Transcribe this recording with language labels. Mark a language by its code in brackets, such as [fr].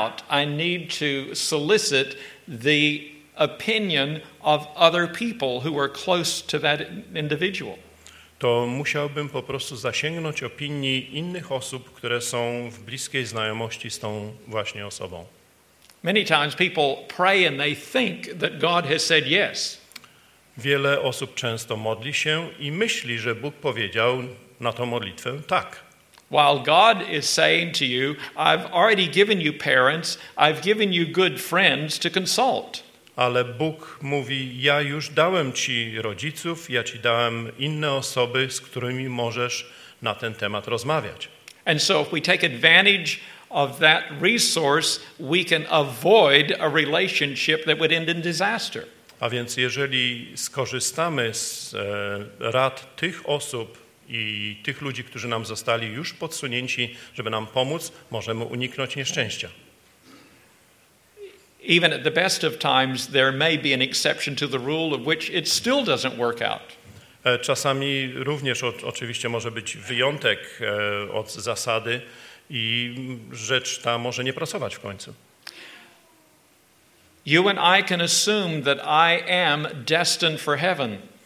[en] I need to solicit the opinion of other people who are close to that individual. [pl] To musiałbym po prostu zasięgnąć opinii innych osób, które są w bliskiej znajomości z tą właśnie osobą. [en] Many times people pray and they think that God has said yes. [pl] Wiele osób często modli się i myśli, że Bóg powiedział na tą modlitwę tak. [en] While God is saying to you, I've already given you parents, I've given you good friends to consult. [pl] Ale Bóg mówi, ja już dałem ci rodziców, ja ci dałem inne osoby, z którymi możesz na ten temat rozmawiać. [en] And so if we take advantage of that resource, we can avoid a relationship that would end in disaster. [pl] A więc jeżeli skorzystamy z rad tych osób i tych ludzi, którzy nam zostali już podsunięci, żeby nam pomóc, możemy uniknąć nieszczęścia. [en] Even at the best of times there may be an exception to the rule of which it still doesn't work out. [pl] Czasami również oczywiście może być wyjątek od zasady i rzecz ta może nie pracować w końcu. [en] You and I can assume that I am destined for heaven.